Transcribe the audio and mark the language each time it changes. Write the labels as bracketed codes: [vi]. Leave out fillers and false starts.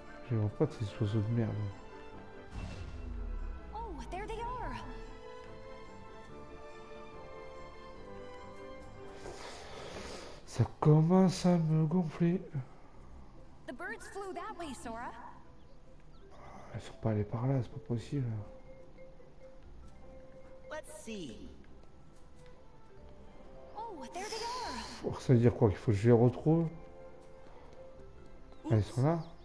[fr] Je vois pas ces oiseaux de merde. [en] Oh, there they are. [fr] Ça commence à me gonfler. [en] The birds flew that way, Sora. [fr] Elles sont pas allées par là, c'est pas possible. [en] Let's see. Oh, there they are. [fr] Ça veut dire quoi? Qu'il faut que je les retrouve? Elles sont là?